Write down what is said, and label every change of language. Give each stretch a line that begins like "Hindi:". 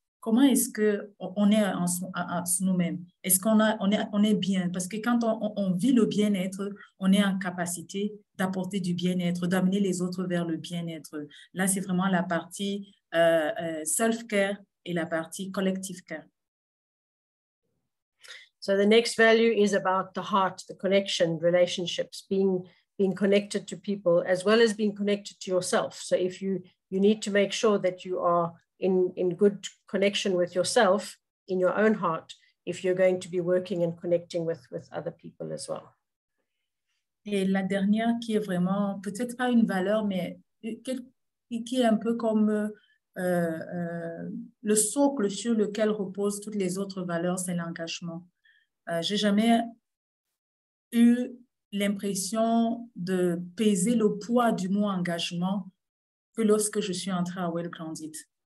French: Comment est-ce qu'on est en nous-mêmes? Est-ce qu'on est bien? Parce que quand on vit le bien-être, on est en capacité d'apporter du bien-être, d'amener les autres vers le bien-être. Là, c'est vraiment la partie self-care et la partie collective care.
English: So the next value is about the heart, the connection, relationships, being connected to people, as well as being connected to yourself. So if you need to make sure that you are in good connection with yourself, in your own heart, if you're going to be working and connecting with other people as well.
French: Et la dernière qui est vraiment, peut-être pas une valeur, mais qui est un peu comme le socle sur lequel reposent toutes les autres valeurs, c'est l'engagement. J'ai jamais eu l'impression de peser le poids du mot engagement que lorsque je suis entrée à Well Grounded.